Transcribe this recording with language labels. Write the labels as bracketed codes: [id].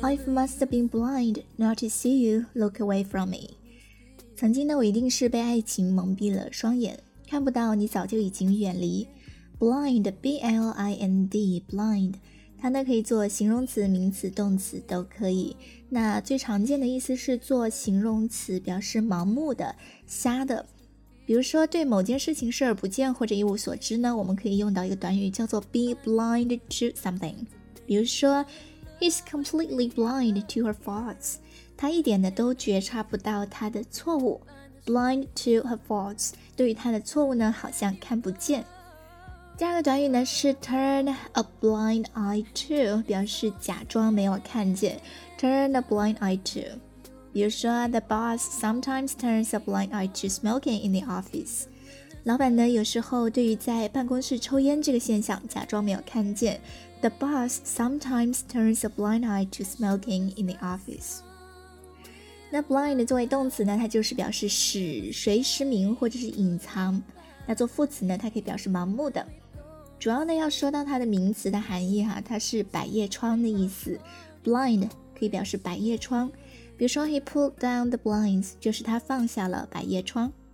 [en] I must have been blind not to see you look away from me. [zh] 曾经呢，我一定是被爱情蒙蔽了双眼，看不到你早就已经远离。 Blind, B-L-I-N-D, blind， 它呢可以做形容词、名词、动词都可以。那最常见的意思是做形容词，表示盲目的、瞎的。比如说对某件事情视而不见或者一无所知呢，我们可以用到一个短语叫做 [en] be blind to something。 [zh] 比如说 [en] ，He's completely blind to her faults。 [zh] 他一点的都觉察不到他的错误， [en] blind to her faults， [zh] 对于他的错误呢好像看不见。第二个短语呢是 [en] turn a blind eye to， [zh] 表示假装没有看见， turn a blind eye to。比如说 [en] the boss sometimes turns a blind eye to smoking in the office， [zh] 老板呢有时候对于在办公室抽烟这个现象假装没有看见， the boss sometimes turns a blind eye to smoking in the office。那 blind 作为动词呢，它就是表示使谁失明或者是隐藏。那做副词呢，它可以表示盲目的。主要呢要说到它的名词的含义哈，它是百叶窗的意思。 blind 可以表示百叶窗，比如说 [en] he pulled down the blinds， [zh] 就是他放下了百叶窗。